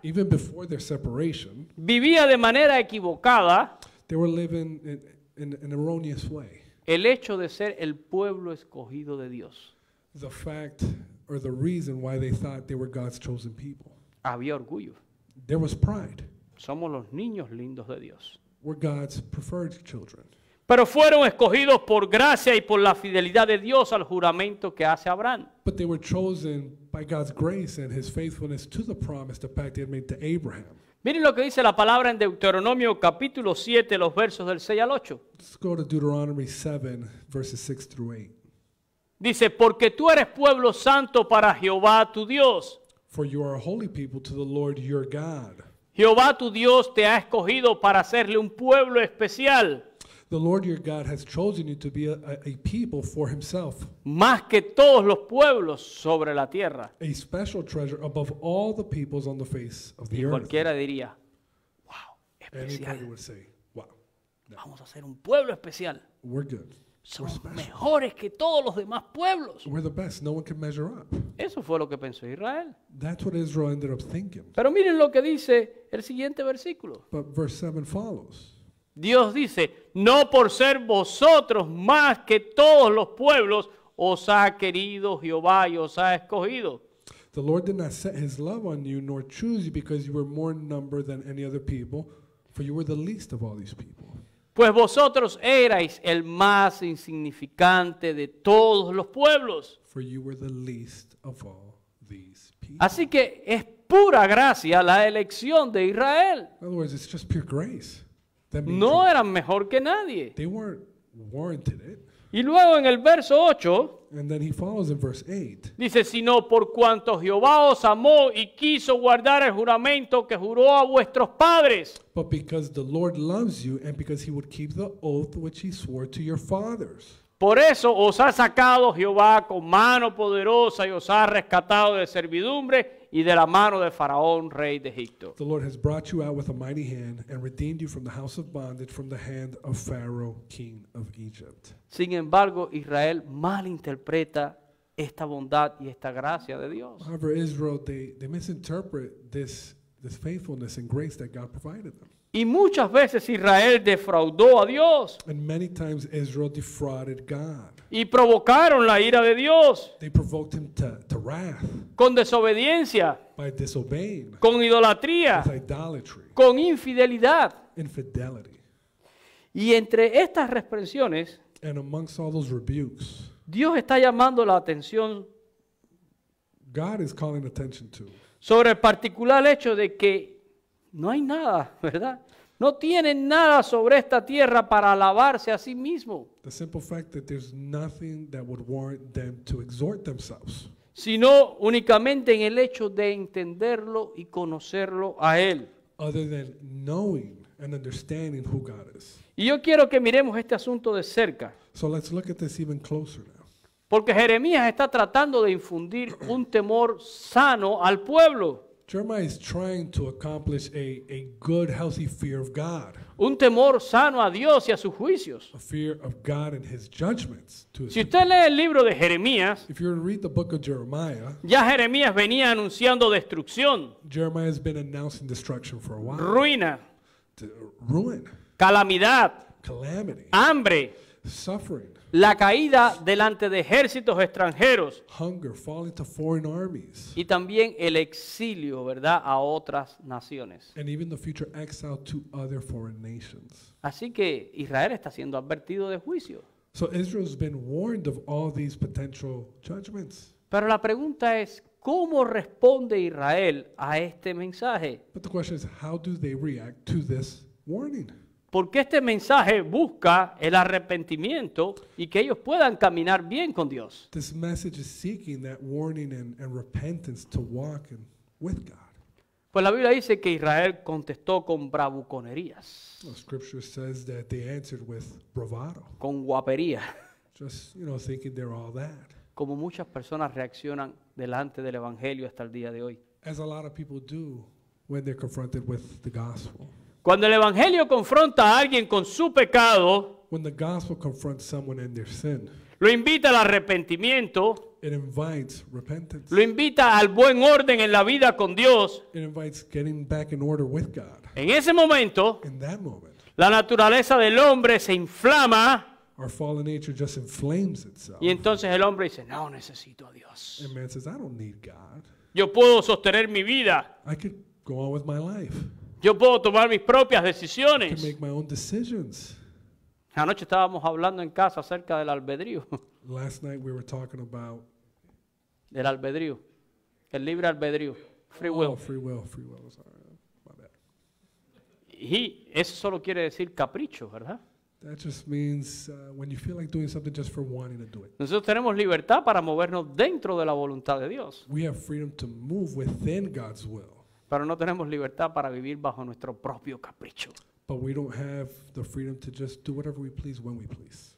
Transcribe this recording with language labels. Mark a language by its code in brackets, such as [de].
[en] even before their separation, [es] vivía de manera equivocada. [en] They were living in an erroneous way. [es] El hecho de ser el pueblo escogido de Dios. [en] The fact or the reason why they thought they were God's chosen people. [es] Había orgullo. [en] There was pride. [es] Somos los niños lindos de Dios. [en] We're God's preferred children. [es] Pero fueron escogidos por gracia y por la fidelidad de Dios al juramento que hace Abraham. [en] But they were chosen by God's grace and his faithfulness to the promise, the pact he had made to Abraham. [es] Miren lo que dice la palabra en Deuteronomio capítulo 7, los versos del 6 al 8. [en] Let's go to Deuteronomy 7, verses 6 through 8. [es] Dice, porque tú eres pueblo santo para Jehová tu Dios. [en] For you are a holy people to the Lord your God. [es] Jehová tu Dios te ha escogido para hacerle un pueblo especial. [en] The Lord your God has chosen you to be a people for himself. [es] Más que todos los pueblos sobre la tierra. [en] A special treasure above all the peoples on the face of the earth. [es] Y cualquiera diría, wow, especial. [en] Anybody would say, wow. [es] No. Vamos a ser un pueblo especial. [en] We're good. [es] Somos mejores que todos los demás pueblos. [en] We're the best. No one can measure up. [es] Eso fue lo que pensó Israel. [en] That's what Israel ended up thinking. [es] Pero miren lo que dice el siguiente versículo. [en] But verse 7 follows. [es] Dios dice, no por ser vosotros más que todos los pueblos, os ha querido Jehová y os ha escogido. [en] The Lord did not set his love on you, nor choose you, because you were more in number than any other people, for you were the least of all these people. [es] Pues vosotros erais el más insignificante de todos los pueblos. [en] For you were the least of all these people. [es] Así que es pura gracia la elección de Israel. [en] In other words, it's just pure grace. [es] No eran mejor que nadie. [en] They weren't warranted it. [es] Y luego en el verso 8, [en] and then he follows in verse 8, [es] dice, sino por cuanto Jehová os amó y quiso guardar el juramento que juró a vuestros padres. [en] But because the Lord loves you and because he would keep the oath which he swore to your fathers. [es] Por eso os ha sacado Jehová con mano poderosa y os ha rescatado de servidumbre y de la mano de Faraón, rey de Egipto. [en] The Lord has brought you out with a mighty hand and redeemed you from the house of bondage from the hand of Pharaoh, king of Egypt. [es] Sin embargo, Israel malinterpreta esta bondad y esta gracia de Dios. [en] However, Israel, they misinterpret this faithfulness and grace that God provided them. [es] Y muchas veces Israel defraudó a Dios. [en] And many times Israel defrauded God. [es] Y provocaron la ira de Dios. [en] They provoked him to wrath. [es] Con desobediencia. [en] By disobeying. [es] Con idolatría. [en] With idolatry. [es] Con infidelidad. [en] Infidelity. [es] Y entre estas reprensiones. [en] And amongst all those rebukes. [es] Dios está llamando la atención. [en] God is calling attention to. [es] Sobre el particular hecho de que no hay nada, ¿verdad? No tienen nada sobre esta tierra para alabarse a sí mismo. [en] The simple fact that there's nothing that would warrant them to exhort themselves. [es] Sino únicamente en el hecho de entenderlo y conocerlo a Él. [en] Other than knowing and understanding who God is. [es] Y yo quiero que miremos este asunto de cerca. [en] So let's look at this even closer now. [es] Porque Jeremías está tratando de infundir un temor sano al pueblo. [en] Jeremiah is trying to accomplish a good, healthy fear of God. [es] Un temor sano a Dios y a sus juicios. [en] A fear of God and His judgments. [es] Si usted lee el libro de Jeremías, [en] if you read the book of Jeremiah, [es] ya Jeremías venía anunciando destrucción. [en] Jeremiah has been announcing destruction for a while. [es] Ruina. [en] Ruin. [es] Calamidad. [en] Calamity. [es] Hambre. [en] Suffering. [es] La caída delante de ejércitos extranjeros. [en] Hunger, falling to foreign armies. [es] Y también el exilio, ¿verdad?, a otras naciones. [en] And even the future exile to other foreign nations. [es] Así que Israel está siendo advertido de juicio. [en] So Israel's been warned of all these potential judgments. [es] Pero la pregunta es, ¿cómo responde Israel a este mensaje? [en] But the question is, how do they react to this warning? [es] Porque este mensaje busca el arrepentimiento y que ellos puedan caminar bien con Dios. [en] This message is seeking that warning and repentance to walk in, with God. [es] Pues la Biblia dice que Israel contestó con bravuconerías. [en] Well, scripture says that they answered with bravado. [es] Con guapería. [en] Just, you know, thinking they're all that. [es] Como muchas personas reaccionan delante del Evangelio hasta el día de hoy. [en] As a lot of people do when they're confronted with the gospel. [es] Cuando el Evangelio confronta a alguien con su pecado, [en] when the gospel confronts someone in their sin, [es] lo invita al arrepentimiento, [en] it invites repentance, [es] lo invita al buen orden en la vida con Dios, [en] it invites getting back in order with God. [es] En ese momento, [en] in that moment, [es] la naturaleza del hombre se inflama, [en] our fallen nature just inflames itself, [es] y entonces el hombre dice, no necesito a Dios. [en] And man says, I don't need God. [es] Yo puedo sostener mi vida. [en] I could go on with my life. [es] Yo puedo tomar mis propias decisiones. [en] I can make my own decisions. [es] Anoche estábamos hablando en casa acerca del albedrío. [en] Last night we were talking about [es] el albedrío, el libre albedrío, [en] free will. Oh, free will. Sorry, my bad. [es] Y eso solo quiere decir capricho, ¿verdad? [en] That just means when you feel like doing something just for wanting to do it. [es] Nosotros tenemos libertad para movernos dentro de la voluntad de Dios. [en] We have freedom to move within God's will. [es] Pero no tenemos libertad para vivir bajo nuestro propio capricho. [en] But we don't have the freedom to just do whatever we please when we please.